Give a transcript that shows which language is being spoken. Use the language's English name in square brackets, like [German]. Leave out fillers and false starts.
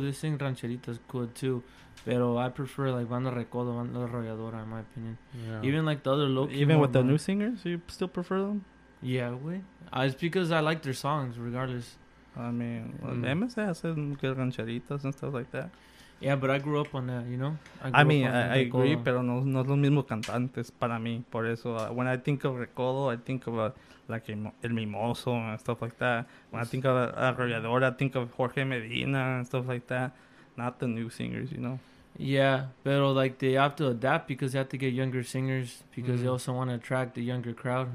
[English] This thing, Rancherita, is cool, too. Pero I prefer, like, Banda Recodo, Banda Arrolladora, in my opinion. Yeah. Even, like, the other local... Even with the new singers, you still prefer them? Yeah, güey. It's because I like their songs, regardless. I mean, MS has said good rancheritas and stuff like that. Yeah, but I grew up on that, you know? I mean, I agree, [Spanish] pero no los mismos cantantes para mí. Por eso, [English] when I think of Recodo, I think of, like, El Mimoso and stuff like that. When I think of Arrolladora, I think of Jorge Medina and stuff like that. Not the new singers, you know? Yeah, pero, like, they have to adapt because they have to get younger singers because they also want to attract the younger crowd.